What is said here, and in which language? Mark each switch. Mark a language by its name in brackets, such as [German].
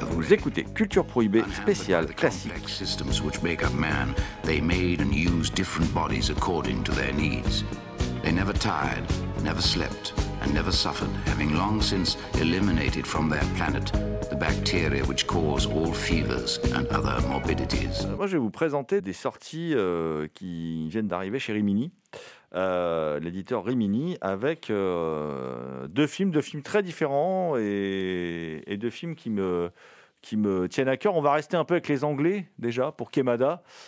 [French] Écoutez, Culture Prohibée spéciale classique. [English] Complex systems which make up man, they made and used different bodies according to their needs. They never tired, never slept, and never suffered, having long since eliminated from their planet the bacteria which cause all fevers and other morbidities. [French] Moi, je vais vous présenter des sorties qui viennent d'arriver chez Rimini, l'éditeur Rimini, avec deux films très différents et deux films qui me tiennent à cœur. On va rester un peu avec les Anglais, déjà, pour Quémada.